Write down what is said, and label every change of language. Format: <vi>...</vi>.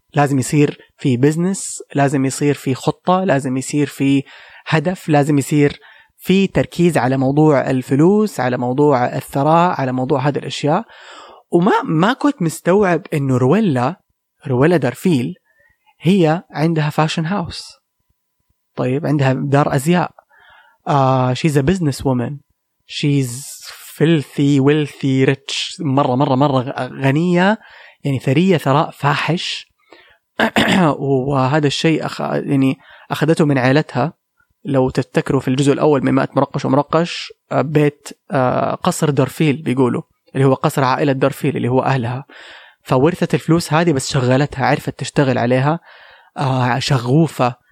<ar>لازم يصير في بزنس، لازم يصير في خطه، لازم يصير في هدف، لازم يصير في تركيز على موضوع الفلوس، على موضوع الثراء، على موضوع هذه الاشياء. وما كنت مستوعب انه رويلا درفيل هي عندها فاشن هاوس. طيب عندها دار ازياء.</ar> <en>She's a business woman. She's filthy wealthy rich.</en> <ar>مرة مرة مرة غنية، يعني ثرية ثراء فاحش. وهذا الشيء يعني اخذته من عائلتها. لو تتذكروا في الجزء الاول من مئة مرقش ومرقش، بيت قصر درفيل بيقولوا، اللي هو قصر عائلة درفيل اللي هو أهلها، فورثت الفلوس هذه بس شغلتها، عرفت تشتغل عليها، شغوفة.</ar>